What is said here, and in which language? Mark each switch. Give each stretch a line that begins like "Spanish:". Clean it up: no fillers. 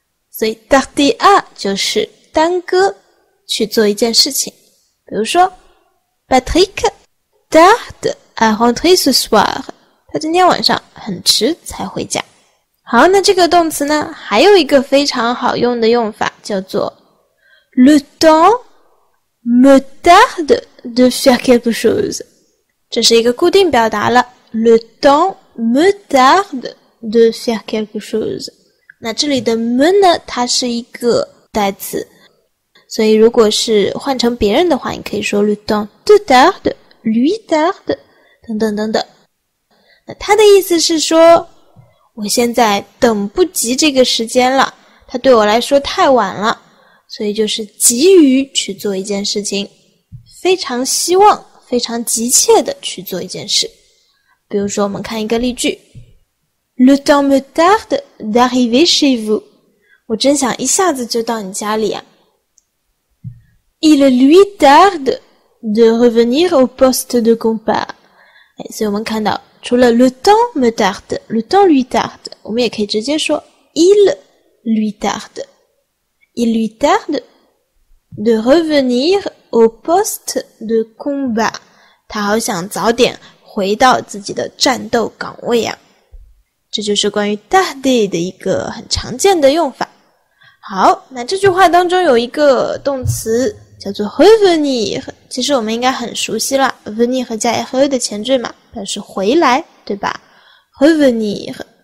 Chinese: 所以 tardé 就是耽搁去做一件事情，比如说
French: Patrick tarde à rentrer ce soir，
Chinese: 他今天晚上很迟才回家。好，那这个动词呢，还有一个非常好用的用法，叫做
French: Le temps me tarde de faire quelque chose。
Chinese: 这是一个固定表达了
French: ，le temps me tarde de faire quelque chose。
Chinese: 那这里的 me 呢，它是一个代词，所以如果是换成别人的话，你可以说
French: le temps te tarde, lui tarde
Chinese: 等等等等。那它的意思是说，我现在等不及这个时间了，它对我来说太晚了，所以就是急于去做一件事情，非常希望。非常急切的去做一件事，比如说，我们看一个例句 ：
French: Le temps me tarde d'arriver chez vous。
Chinese: 我真想一下子就到你家里啊。
French: Il lui tarde de revenir au poste de combat。
Chinese: 哎，所以我们看到，除了
French: le temps me tarde， le temps lui tarde，
Chinese: 我们也可以直接说
French: il lui tarde， il lui tarde de revenir au poste de combat。
Chinese: 他好想早点回到自己的战斗岗位啊。这就是关于 tardé 的一个很常见的用法。好，那这句话当中有一个动词叫做 revenir， 其实我们应该很熟悉了 ，venir 加 re 的前缀嘛，表示回来，对吧 ？revenir。